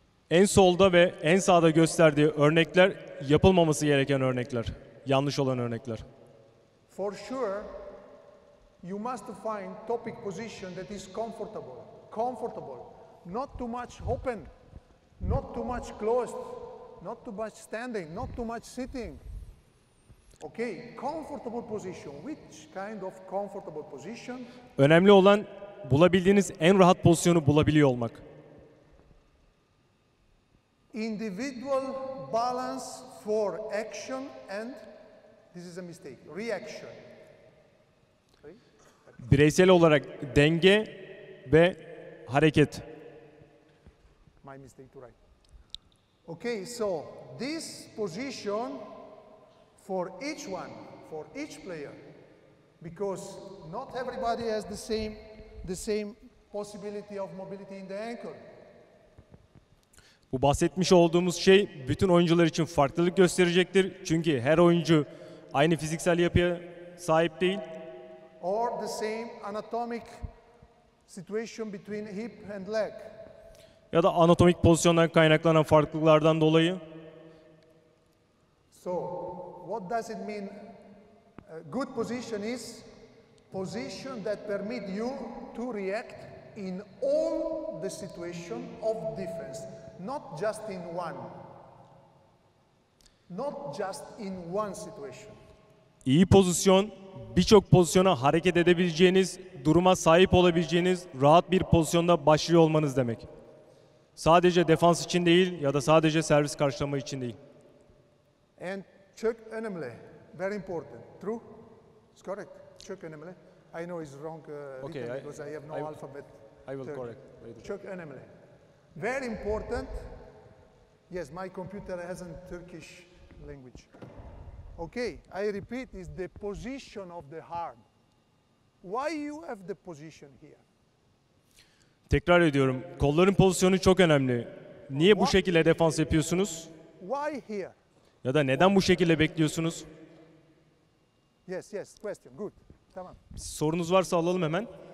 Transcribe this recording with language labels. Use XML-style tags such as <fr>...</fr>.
<tr>En solda ve en sağda gösterdiği örnekler yapılmaması gereken örnekler, yanlış olan örnekler.</tr> <en>For sure, you must find topic position that is comfortable. Comfortable, not too much open, not too much closed, not too much standing, not too much sitting. Okay, comfortable position. Which kind of comfortable position?</en> <tr>Önemli olan bulabildiğiniz en rahat pozisyonu bulabiliyor olmak.</tr> <en>Individual balance for action and this is a mistake. Reaction.</en> <tr>Bireysel olarak denge ve hareket.</tr> <en>My mistake to write. Okay, so this position for each one, for each player, because not everybody has the same possibility of mobility in the ankle.</en> <tr>Bu bahsetmiş olduğumuz şey bütün oyuncular için farklılık gösterecektir. Çünkü her oyuncu aynı fiziksel yapıya sahip değil.</tr> <en>Or the same anatomic situation between hip and leg.</en> <tr>Ya da anatomik pozisyondan kaynaklanan farklılıklardan dolayı.</tr> <en>So, what does it mean? A good position is position that permit you to react in all the situation of defense, not just in one. Not just in one situation.</en> <tr>İyi pozisyon, birçok pozisyona hareket edebileceğiniz, duruma sahip olabileceğiniz rahat bir pozisyonda başlıyor olmanız demek. Sadece defans için değil ya da sadece servis karşılama için değil.</tr> <en>And</en> <tr>çok önemli,</tr> <en>very important. True? It's correct.</en> <tr>Çok önemli.</tr> <en>I know it's wrong okay, because I have no alphabet. I will correct.</en> <tr>Çok önemli.</tr> <en>Very important. Yes, my computer has a Turkish language. Okay, I repeat, is the position of the heart. Why you have the position here?</en> <tr>Tekrar ediyorum, kolların pozisyonu çok önemli. Niye bu şekilde defans yapıyorsunuz?</tr> <en>Why here?</en> <tr>Ya da neden bu şekilde bekliyorsunuz?</tr> <en>Yes, yes, question. Good. Tamam.</en> <tr>Sorunuz varsa alalım hemen.</tr>